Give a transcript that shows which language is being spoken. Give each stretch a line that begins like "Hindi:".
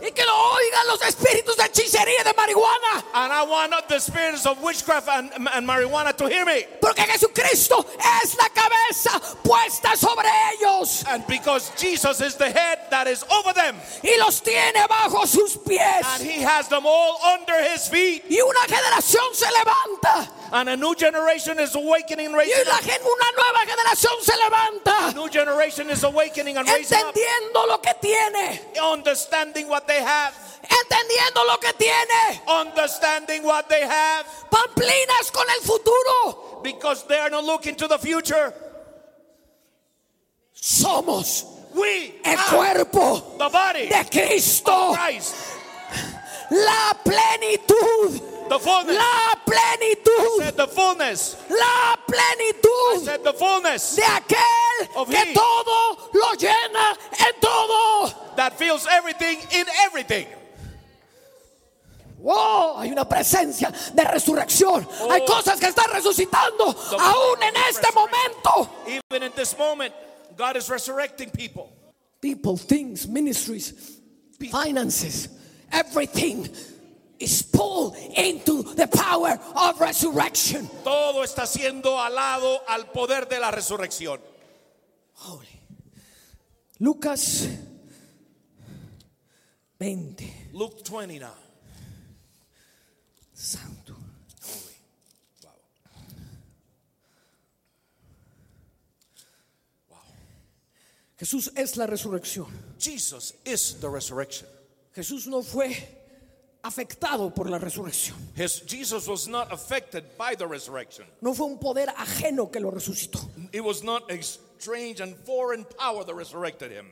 Spanish: Y que lo oigan los espíritus de hechicería de marihuana.
English: And I want the spirits of witchcraft and marijuana to hear me.
Spanish: Porque Jesucristo es la cabeza puesta sobre ellos.
English: And because Jesus is the head that is over them.
Spanish: Y los tiene bajo sus pies.
English: And he has them all under his feet.
Spanish: Y una generación se levanta.
English: And a new generation is awakening and raising
Spanish: y la gente, una nueva generación se levanta.
English: A new generation is awakening and raising
Spanish: entendiendo
English: up.
Spanish: Lo que tiene.
English: Understanding what they have.
Spanish: Entendiendo lo que tiene.
English: Understanding what they have.
Spanish: Pamplinas con el futuro.
English: Because they are not looking to the future.
Spanish: Somos
English: we
Spanish: el cuerpo
English: the body
Spanish: de Cristo.
English: Of Christ.
Spanish: La plenitud.
English: The fullness.
Spanish: La plenitud.
English: I said the fullness.
Spanish: La plenitud.
English: I said the fullness.
Spanish: De aquel
English: of
Spanish: que
English: he.
Spanish: Todo lo llena en todo.
English: That fills everything in everything.
Spanish: Wow, hay una presencia de resurrección.
English: Oh,
Spanish: hay cosas que están resucitando aún en este momento.
English: Even in this moment, God is resurrecting people. People, things, ministries, people. Finances, everything. Is pulled into the power of resurrection.
Spanish: Todo está siendo alado al poder de la resurrección.
English: Holy. Lucas 20. Luke 20 now.
Spanish: Santo.
English: Holy. Wow. Wow.
Spanish: Jesús es la resurrección.
English: Jesus is the resurrection.
Spanish: Jesús no fue afectado por la resurrección.
English: Jesus was not affected by the resurrection.
Spanish: No fue un poder ajeno que lo resucitó.
English: It was not a strange and foreign power that resurrected him.